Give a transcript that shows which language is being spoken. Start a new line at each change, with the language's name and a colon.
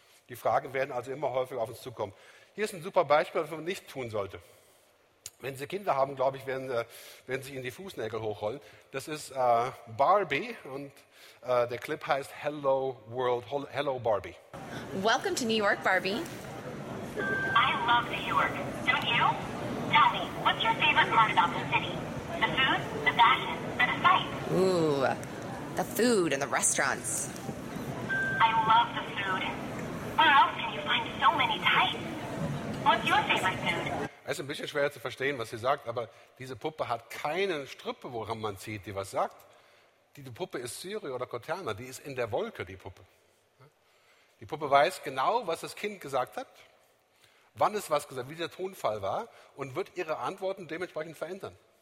German: Die Fragen werden also immer häufiger auf uns zukommen. Hier ist ein super Beispiel, was man nicht tun sollte. Wenn Sie Kinder haben, glaube ich, werden Sie Ihnen die Fußnägel hochrollen. Das ist Barbie und der Clip heißt Hello World, Hello Barbie.
English: Welcome to New York, Barbie. I love New York. Don't you? Tell me, what's your favorite part about the city? The food, the fashion, the sights? Ooh, the food and the restaurants. I love the food. Where else can you find so many types? What's your favorite food?
German: Es ist ein bisschen schwer zu verstehen, was sie sagt, aber diese Puppe hat keine Strippe, woran man zieht, die was sagt. Die Puppe ist Siri oder Cortana, die ist in der Wolke, die Puppe. Die Puppe weiß genau, was das Kind gesagt hat, wann es was gesagt hat, wie der Tonfall war und wird ihre Antworten dementsprechend verändern.